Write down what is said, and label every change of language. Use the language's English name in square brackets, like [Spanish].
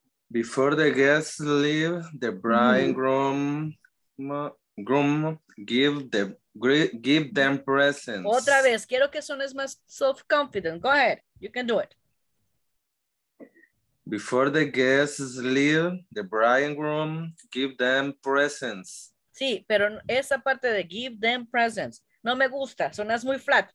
[English] Before the guests leave, the bride and groom give them presents. [Spanish] Otra vez, quiero que suenes más self-confident. [English] Go ahead, you can do it. Before the guests leave, the bride and groom give them presents. [Spanish] Sí, pero esa parte de [English] give them presents, [Spanish] no me gusta, sonas muy flat.